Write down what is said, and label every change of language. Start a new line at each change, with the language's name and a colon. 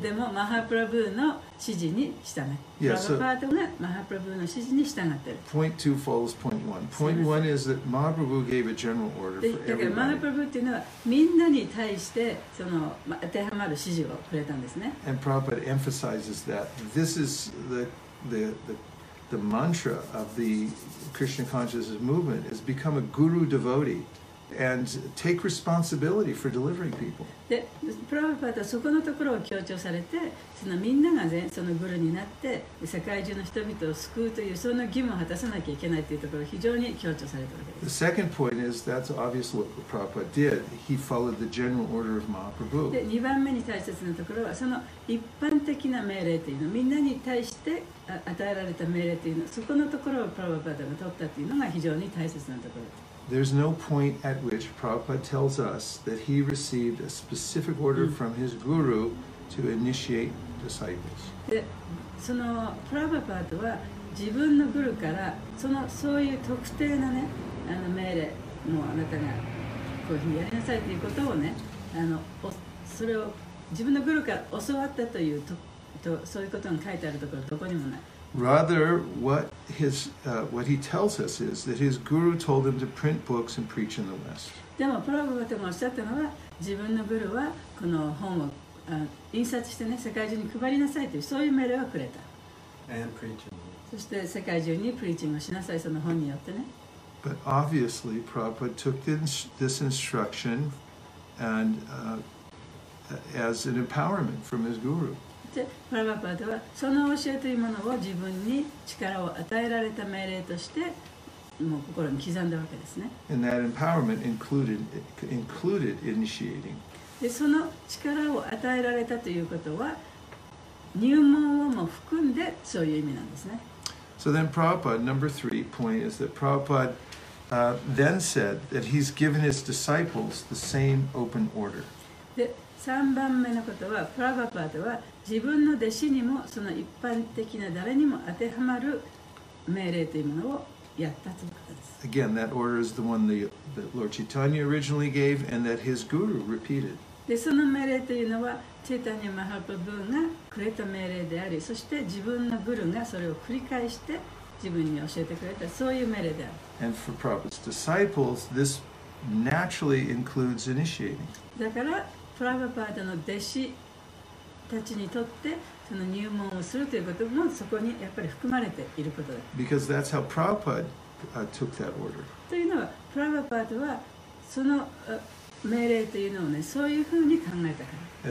Japanese: でもマハプラブーの指示に従い。
English: Yes.
Japanese: プラヴァパーダがマハプラブーの指示に従ってる。
English: Point two follows point one. Point one is that Mahaprabhu gave a general order for everybody.
Japanese: だからマハプラブーっていうのはみんなに対してその当てはまる指示をくれたんですね。
English: And Prabhupada emphasizes that this is the mantra of the Krishna consciousness movement is become a guru devotee. And take responsibility for delivering people.
Japanese: で、プラヴァパーダはそこのところを強調されて、そのみんながね、そのグルになって、世界中の人々を救うという、その義務を果たさなきゃいけないというところを非常に強調されたわけです。
English: The second point is, that's obviously what Prabhupada did. He followed the general order of Mahaprabhu.
Japanese: で、2番目に大切なところは、その一般的な命令というの、みんなに対して与えられた命令というの、そこのところをプラヴァパーダが取ったというのが非常に大切なところです。
English: There's no point at which Prabhupada tells us that he received a specific order from his guru to initiate disciples.
Japanese: で、そのプラヴァパーダは自分のグルからそのそういう特定なね、あの命令もうあなたがこういうふうにやりなさいということをね、あのそれを自分のグルから教わったというとそういうことが書いてあるところどこにもない。
English: Rather, what he tells us is that his guru told him to print books and preach in the West.
Japanese: でもプラヴァパーダがおっしゃったのは、自分のグルはこの本を印刷してね、世界中に配りなさいというそういう命令をくれた。
English: And preaching.
Japanese: そして世界中にプリーチングをしなさい、その本によってね。
English: But obviously, Prabhupada took this instruction and, as an empowerment from his guru.
Japanese: プラヴァパーダはその教えというものを自分に力を与えられた命令としてもう心に刻んだわけですね。
English: And that empowerment included initiating.
Japanese: でその力を与えられたということは入門をも含んでそういう意味なんですね。
English: So then Prabhupada, number three point is that Prabhupada, then said that he's given his disciples the same open order.
Japanese: で3番目のことはプラバパートは自分の弟子にもその一般的な誰にも当てはまる命令というものをやったということです。
English: Again, that order is the one that Lord Chaitanya originally gave and that his guru repeated.
Japanese: で、その命令というのはチェタニア・マハプラブーがくれた命令であり、そして自分のグルがそれを繰り返して自分に教えてくれた、そういう命令である。
English: And for Prabhupada's disciples, this naturally includes initiating.
Japanese: だから、プラバパーダの弟子たちにとってその入門をするということもそこにやっぱり含まれていることだ。
English: Because that's how Prabhupada took that order.
Japanese: というのは、プラバパーダはその命令というのをね、そういうふうに考えたから。